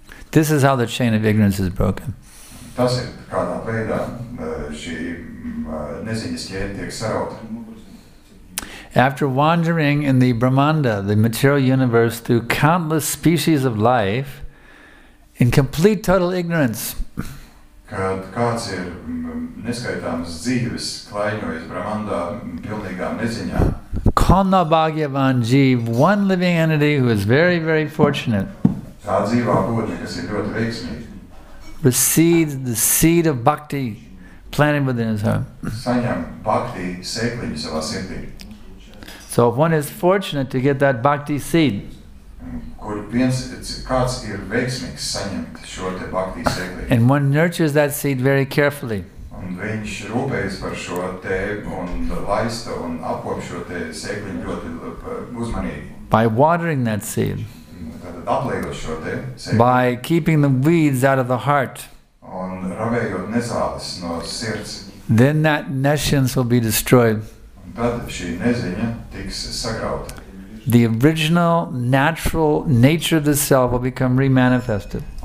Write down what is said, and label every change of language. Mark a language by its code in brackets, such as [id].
[en] This is how the chain of ignorance is broken. After wandering in the Brahmanda, the material universe, through countless species of life, in complete total ignorance, [lv] kad kāds ir neskaitāms dzīves klaiņojis Brahmandā pilnīgā neziņā. [en] Konna Bhagyavan Jeev, one living entity who is very, very fortunate, [lv] tā dzīvā būtne, kas ir ļoti veiksmīga, [en] receives the seed of bhakti planted within his heart. [lv] Saņem bhakti sēkliņu savā sirdī. [en] So if one is fortunate to get that bhakti seed, [lv] kur viens, kāds ir veiksmīgs saņemt šo te bhakti sēkli. [en] And one nurtures that seed very carefully. [lv] Un viņš rūpējas par šo te un laista un apkopšo te sēkliņu ļoti uzmanīgi. [en] By watering that seed. [lv] Tātad aplīgot šo te sēkli. [en] By keeping the weeds out of the heart. [lv] Un ravējot nezāles no sirds. [en] Then that nescience will be destroyed. [lv] Tad šī neziņa tiks sagrauta. [en] The original natural nature of the self will become re-manifested.